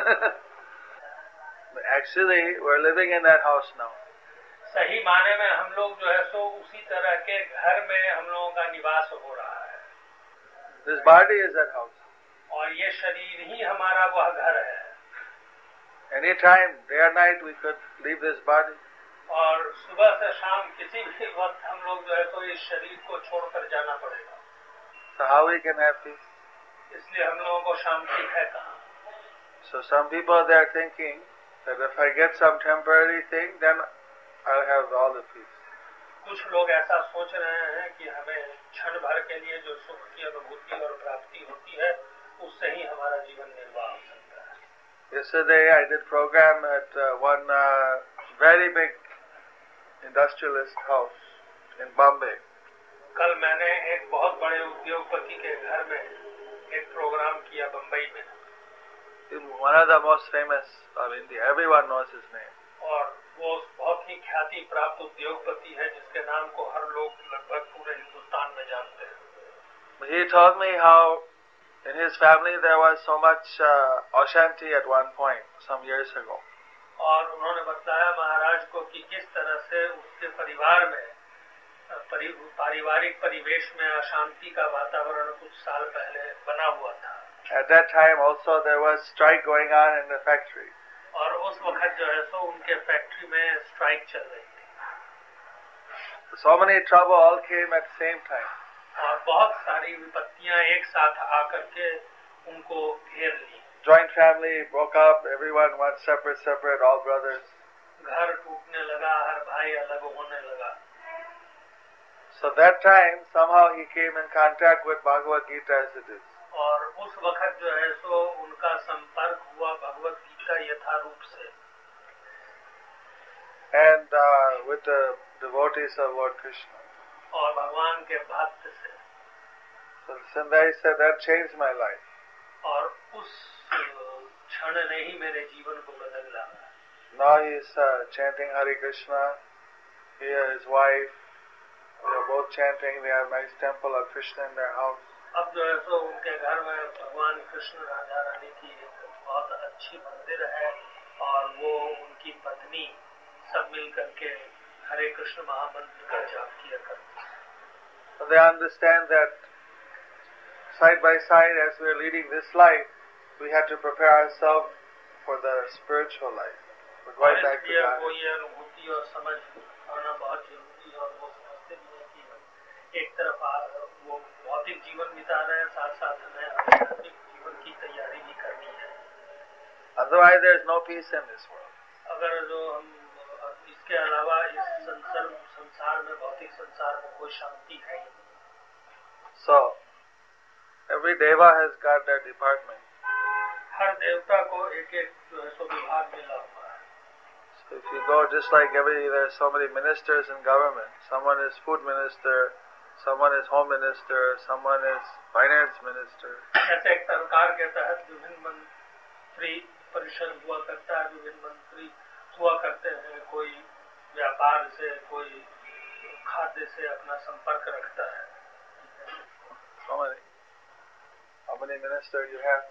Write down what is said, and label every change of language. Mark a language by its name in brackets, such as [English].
[English] Actually, we're living in that house now. [Hindi] सही माने में हम लोग जो है सो उसी तरह के घर में हम लोगों का निवास हो रहा है. [English] This body is that house. [Hindi] और ये शरीर ही हमारा वह घर है. [English] Any time, day or night, we could leave this body. [Hindi] और सुबह से शाम किसी भी वक्त हम लोग जो है तो इस शरीर को छोड़कर जाना पड़ेगा. [English] So how we can have peace? [Hindi] इसलिए हम लोगों को शांति है कहाँ? [English] So some people they are thinking that if I get some temporary thing, then I'll have all the peace. [Hindi] कुछ लोग ऐसा सोच रहे हैं कि हमें क्षण भर के लिए जो सुख की अनुभूति और प्राप्ति होती है, उससे ही हमारा जीवन निर्वाह हो सकता है. [English] Yesterday I did program at one very big industrialist house in Bombay. [Hindi] कल मैंने एक बहुत बड़े उद्योगपति के घर में एक प्रोग्राम किया बंबई में. [English] In one of the most famous of India, everyone knows his name. [Hindi] और वो बहुत ही ख्याति प्राप्त उद्योगपति है जिसके नाम को हर लोग लगभग पूरे हिंदुस्तान में जानते हैं. [English] He told me how In his family there was so much ashanti at one point, some years ago. [Hindi] और उन्होंने बताया महाराज को कि किस तरह से उसके परिवार में पारिवारिक परिवेश में अशांति का वातावरण कुछ साल पहले बना हुआ था. [English] At that time also there was strike going on in the factory. [Hindi] और उस वक्त जो है सो उनके फैक्ट्री में स्ट्राइक चल रही थी. [English] So many trouble all came at the same time. [Hindi] और बहुत सारी विपत्तियां एक साथ आकर के उनको घेर ली. [English] Joint family broke up, everyone went separate, all brothers. [Hindi] घर टूटने लगा, हर भाई अलग होने लगा. [English] So that time somehow he came in contact with Bhagavad Gita as it is. [Hindi] और उस वक्त जो है सो उनका संपर्क हुआ भगवत गीता यथारूप से. [English] And with the devotees of Lord Krishna. [Hindi] और भगवान के भक्त से. [English] So Sundari said that changed my life. [Hindi] और उस क्षण ने ही मेरे जीवन को बदल डाला. [English] Now he is chanting Hare Krishna. He and his wife, they are both chanting. They have a nice temple of Krishna in their house. [Hindi] अब जो है तो उनके घर में भगवान कृष्ण राजा रानी की बहुत अच्छी मंदिर है और वो उनकी पत्नी सब मिल करके हरे कृष्ण महामंत्र का जाप किया करते. [English] They understand that side by side as we are leading this life, we have to prepare ourselves for the spiritual life. We're going back to God. [Hindi] और इसलिए वो ये अनुभूति और समझ आना बहुत जरूरी है. और वो समझते भी हैं कि एक तरफ वो भौतिक जीवन बिता रहे हैं, साथ साथ हमें आध्यात्मिक जीवन की तैयारी भी करनी है. [English] Otherwise, there is no peace in this world. [Hindi] अगर जो हम इसके अलावा इस संसार में भौतिक संसार में कोई शांति है. [English] So, every deva has got their department. [Hindi] हर देवता को एक एक विभाग मिला हुआ है. [English] So if you go, just like every, there are so many ministers in government. Someone is food minister, someone is home minister, someone is finance minister. [Hindi] ऐसे एक सरकार के तहत विभिन्न मंत्री परिषद हुआ करता है, विभिन्न मंत्री हुआ करते हैं. कोई व्यापार से, कोई खाद्य से अपना संपर्क रखता है. [English] How many ministers you have?